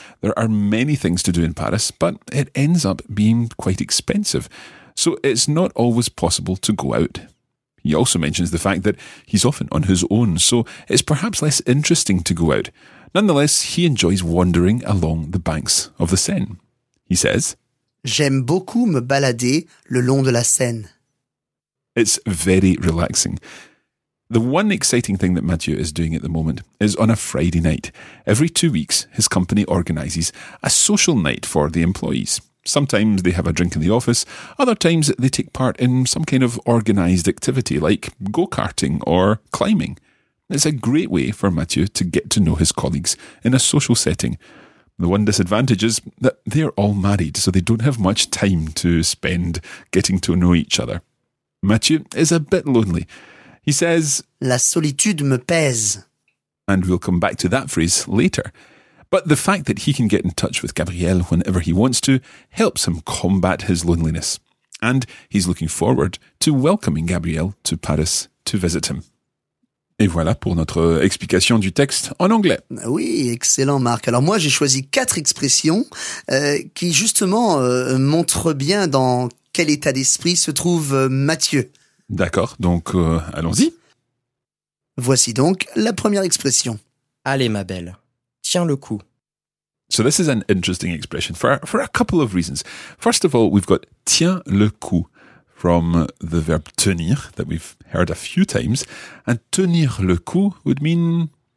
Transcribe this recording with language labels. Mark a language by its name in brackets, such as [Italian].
[English] There are many things to do in Paris, but it ends up being quite expensive. So it's not always possible to go out. He also mentions the fact that he's often on his own, so it's perhaps less interesting to go out. Nonetheless, he enjoys wandering along the banks of the Seine. He says, [French] j'aime beaucoup me balader le long de la Seine. [English] It's very relaxing. The one exciting thing that Mathieu is doing at the moment is on a Friday night. Every 2 weeks, his company organises a social night for the employees. Sometimes they have a drink in the office, other times they take part in some kind of organised activity like go-karting or climbing. It's a great way for Mathieu to get to know his colleagues in a social setting. The one disadvantage is that they're all married, so they don't have much time to spend getting to know each other. Mathieu is a bit lonely. He says, [French] la solitude me pèse. [English] And we'll come back to that phrase later. But the fact that he can get in touch with Gabrielle whenever he wants to helps him combat his loneliness. And he's looking forward to welcoming Gabrielle to Paris to visit him. [French] Et voilà pour notre explication du texte en anglais. Oui, excellent Marc. Alors moi j'ai choisi 4 expressions qui justement montrent bien dans quel état d'esprit se trouve Mathieu. D'accord, donc allons-y. Voici donc la première expression. Allez ma belle. Tiens le coup. [English] So this is an interesting expression for a couple of reasons. First of all, we've got [French] tiens le coup [English] from the verb tenir that we've heard a few times. And [French] tenir le coup [English] would mean...